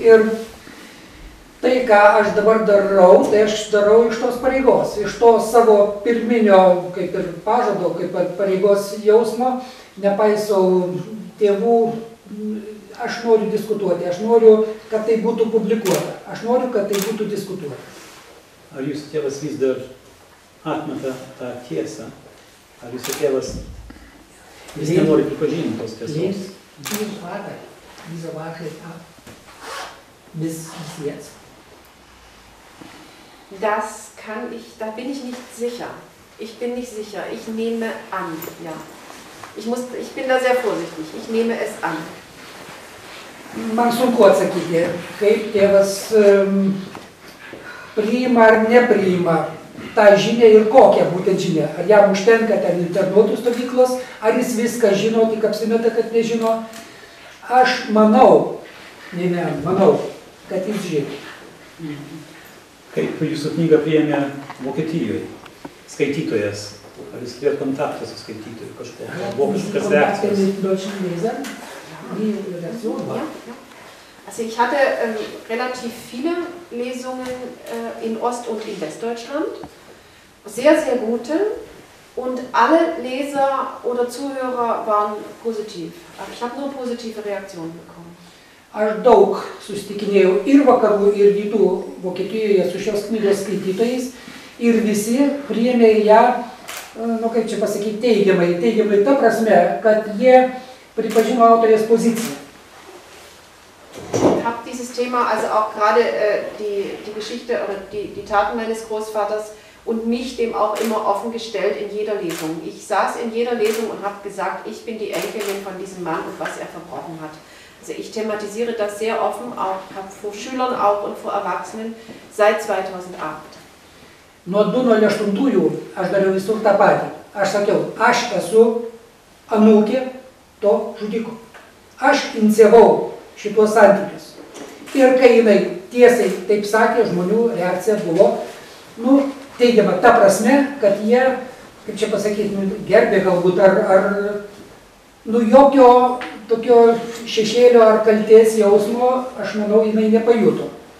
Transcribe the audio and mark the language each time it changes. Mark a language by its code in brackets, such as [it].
[lt] Ir tai, ką aš dabar darau, tai aš darau iš tos pareigos, iš to savo pirminio, kaip ir pažado, kaip pareigos jausmo, nepaisau tėvų, aš noriu diskutuoti, aš noriu, kad tai būtų publikuota, aš noriu, kad tai būtų diskutuota. Ar jūsų tėvas vis dar atmeta tą tiesą? Ar jūsų tėvas vis nenori pripažinti tos tiesos? Jis vakar, visą vakarį, vis [de] jetzt. Das kann ich, da bin ich nicht sicher. Ich bin nicht sicher. Ich nehme an, ja. Ich bin da sehr vorsichtig. Ich nehme es an. [lt] Man sunku atsakyti, kaip tėvas priima ar nepriima tą žinią ir kokią būtent žinią. Ar jam užtenka ten internuotų stovyklos, ar jis viską žino, tik apsimeta, kad nežino. Aš manau, Ne, ne, manau, kad jis žydų. Kaip jūsų knygą priėmė Vokietijoje? Skaitytojas, ar jūs turėjot kontaktą su skaitytoju kažkokios? [de] Also ich hatte relativ viele Lesungen in Ost- und in Westdeutschland, sehr, sehr gute, und alle Leser oder Zuhörer waren positiv. Aber ich habe nur positive Reaktionen bekommen. [lt] Aš daug susitikinėjau ir vakarų, ir rytų Vokietijoje su šios knygos skaitytojais, ir visi priėmė ją, nu kaip čia pasakyti, teigiamai, teigiamai ta prasme, kad jie pripažino autorės poziciją. [de] Ich habe dieses Thema, also auch gerade die Geschichte oder die Taten meines Großvaters und mich dem auch immer offen gestellt in jeder Lesung. Ich saß in jeder Lesung und habe gesagt, ich bin die Enkelin von diesem Mann und was er verbrochen hat. Also ich thematisiere das sehr offen, auch vor Schülern auch und vor Erwachsenen seit 2008. [lt] Nuo 2008 aš dariau visur tą patį. Aš sakiau, aš esu anūkė to žudiko. Aš inicijavau šituos santykius. Ir kai jinai tiesiai taip sakė, žmonių reakcija buvo, nu, teigiama ta prasme, kad jie, kaip čia pasakyti, nu, gerbė galbūt, ar nu, jokio tokio šešėlio ar kaltės jausmo, aš manau, jinai nepajuto.